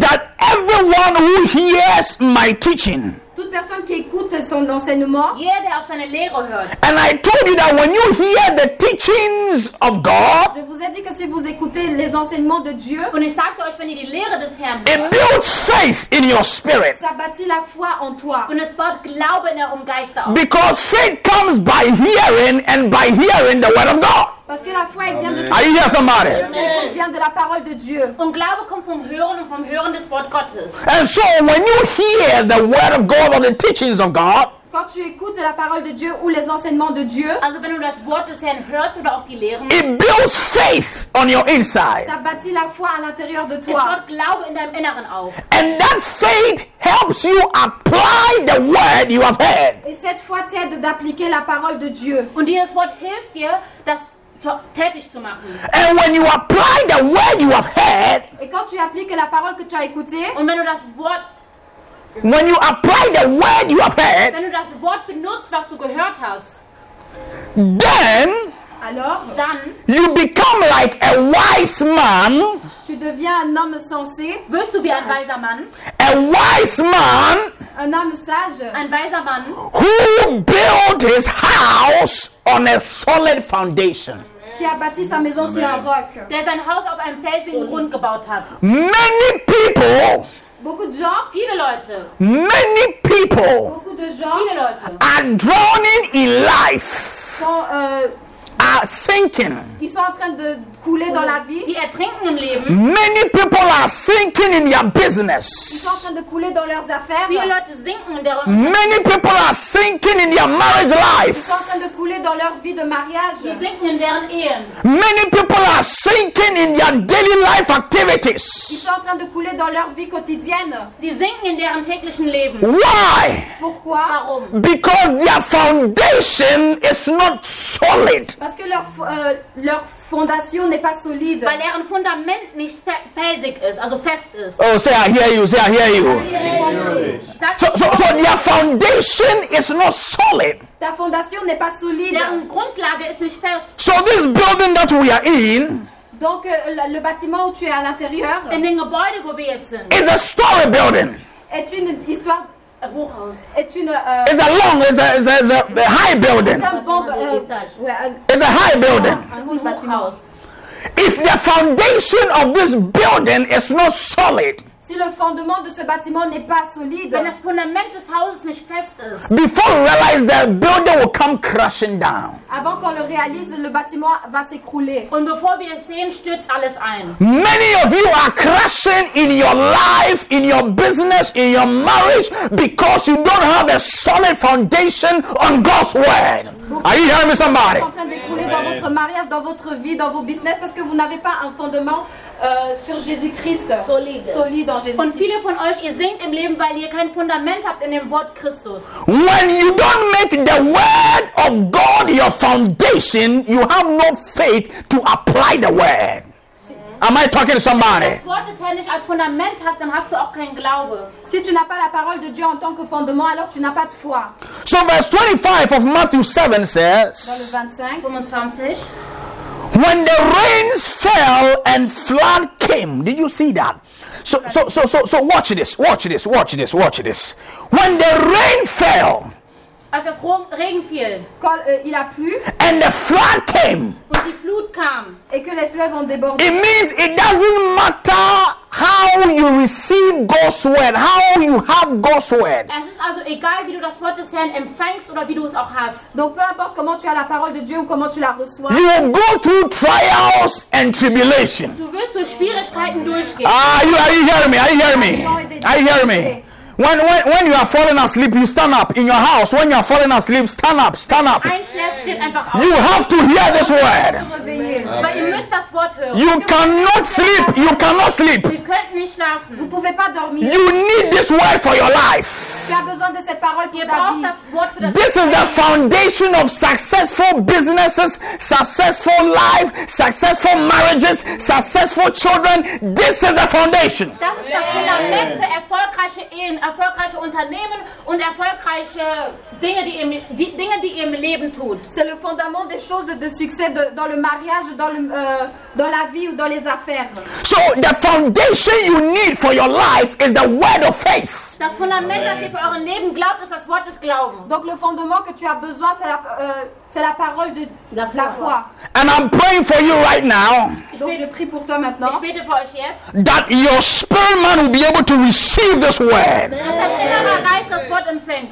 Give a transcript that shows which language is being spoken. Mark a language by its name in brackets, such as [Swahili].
[English] that everyone who hears my teaching [French] toute personne qui écoute son enseignement [German] jeder auf seine Lehre hört. [English] And I told you that when you hear the teachings of God [French] je vous ai dit que si vous écoutez les enseignements de Dieu [German] und ich sagte euch, wenn ihr die Lehre des Herrn [English] it builds faith in your spirit [French] ça bâtit la foi en toi [German] und es baut Glaube in eurem Geist auf. [English] Because faith comes by hearing and by hearing the word of God. [French] Parce que la foi elle vient de [English] ce... Are you here, somebody? [French] Elle vient de la parole de Dieu. [German] Und Glaube kommt vom Hören und vom Hören des Wort Gottes. [English] And so when you hear the word of God or the teachings of God, [French] quand tu écoutes la parole de Dieu ou les enseignements de Dieu, [German] also wenn du das Wort des Herrn hörst oder auch die Lehren, [English] it builds faith on your inside. [French] Ça bâtit la foi à l'intérieur de toi. [German] Es baut Glaube in deinem Inneren auf. [English] And that faith helps you apply the word you have heard. [French] Et cette foi t'aide d'appliquer la parole de Dieu. [German] Und dieses Wort hilft dir, dass tätig zu machen. [English] And when you apply the word you have heard, [French] et quand tu appliques la parole que tu as écoutée, [German] und wenn du das Wort, [English] when you apply the word you have heard, [German] wenn du das Wort benutzt, was du gehört hast, [English] then, [French] alors, [German] dann, [English] you become like a wise man, [French] tu deviens un homme sensé, [German] wirst du wie ein weiser Mann, [English] a wise man, [French] un homme sage, [German] ein weiser Mann, [English] who built his house on a solid foundation. [French] qui a bâti sa maison sur un roc. [English] There's an house of amazing [German] Grund gebaut hat. [English] Many people. [French] Beaucoup de gens, [German] viele Leute. [English] Many people. [French] Beaucoup de gens, [German] viele Leute. [English] Are drowning in life. [French] Sont, [English] are sinking. [French] Ils sont en train de couler dans la vie. [German] Die ertrinken im Leben. [English] Many people are sinking in their business. [French] Ils sont en train de couler dans leurs affaires. [German] Viele Leute sinken in der. [English] Many people are sinking in their marriage life. [French] Ils sont en train de couler dans leur vie de mariage. [German] Die sinken in deren Ehen. [English] Many people are sinking in their daily life activities. [French] Ils sont en train de couler dans leur vie quotidienne. [German] Sie sinken in deren täglichen Leben. [English] Why? [French] Pourquoi? [German] Warum? [English] Because their foundation is not solid. [French] Parce que leur leur fondation n'est pas solide. [German] Weil deren Fundament nicht felsig ist, also fest ist. [English] Oh, say I hear you, say I hear you. So their foundation is not solid. [French] Ta fondation n'est pas solide. [German] Deren Grundlage ist nicht fest. [English] So this building that we are in. [French] Donc le bâtiment où tu es à l'intérieur. [German] In dem Gebäude, wo wir jetzt sind. [English] Is a story building. [French] Est une histoire. [English] It's a long, it's a high building. It's a high building. If the foundation of this building is not solid, [French] si le fondement de ce bâtiment n'est pas solide, [German] wenn das Fundament des Hauses nicht fest ist, [English] before you realize the building will come crashing down. [French] Avant qu'on le réalise, le bâtiment va s'écrouler. [German] Und bevor wir es sehen, stürzt alles ein. [English] Many of you are crashing in your life, in your business, in your marriage, because you don't have a solid foundation on God's word. Are you hearing me, somebody? [French] Vous êtes en train d'écrouler dans votre mariage, dans votre vie, dans vos business, parce que vous n'avez pas un fondement sur Jésus-Christ. Solide en Jésus. [German] Und viele von euch, ihr sinkt im Leben, weil ihr kein Fundament habt in dem Wort Christus. [English] When you don't make the word of God your foundation, you have no faith to apply the word. Am I talking to somebody? [German] Wenn du das Wort des Herrn nicht als Fundament hast, dann hast du auch keinen Glaube. [French] Si tu n'as pas la parole de Dieu en tant que fondement, alors tu n'as pas de foi. [English] So verse 25 of Matthew 7 says. [French] Dans le 25. [English] When the rains fell and flood came, did you see that? So watch this, watch this, watch this, watch this. When the rain fell, [German] als das Regen fiel, [French] quand, il a plu, [English] and the flood came, [German] und die Flut kam, [French] et que les fleuves ont débordé, [English] it means it doesn't matter how you receive God's word, how you have God's word. [German] Es ist also egal, wie du das Wort des Herrn empfängst oder wie du es auch hast. [French] Donc peu importe comment tu as la parole de Dieu ou comment tu la reçois. [English] You will go through trials and tribulation. [German] Du wirst durch Schwierigkeiten durchgehen. [English] Are you hearing me? Are you hearing me? Are you hearing me? When you are falling asleep, you stand up in your house. When you are falling asleep, stand up, stand up. You have to hear this word. You cannot sleep. You cannot sleep. [French] Vous pouvez pas dormir. [English] You need this word for your life. [French] Tu as besoin de cette parole pour ta vie. [English] This is the foundation of successful businesses, successful life, successful marriages, successful children. This is the foundation. [German] Das ist das Fundament für erfolgreiche Ehen, erfolgreiche Unternehmen und erfolgreiche Dinge, die ihr im Leben tut. [French] C'est le fondement des choses de succès dans le mariage, dans la vie ou dans les affaires. [English] So the foundation you need for your life is the word of faith. [German] Das Fundament, das ihr für euren Leben glaubt, ist das Wort des Glaubens. [French] Donc le fondement que tu as besoin, c'est la parole de la foi. [English] And I'm praying for you right now. [French] Donc je prie pour toi maintenant. [German] Ich bete für euch jetzt. [English] That your spirit man will be able to receive this word. [German] Dass dein innerer Geist das Wort empfängt.